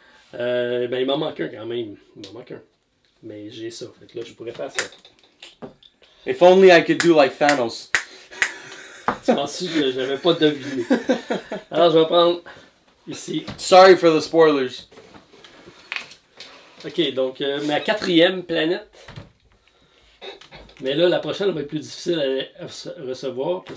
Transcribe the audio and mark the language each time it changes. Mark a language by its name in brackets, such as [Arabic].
[French] Ben, il m'en manque un quand même. Il m'en manque un. Mais j'ai ça. Fait que là, je pourrais faire ça. [English] If only I could do like Thanos. [French] Tu penses que j'avais pas deviné. Alors, je vais prendre... Ici. [English] Sorry for the spoilers. [French] Ok, donc ma quatrième planète. Mais là, la prochaine va être plus difficile à recevoir.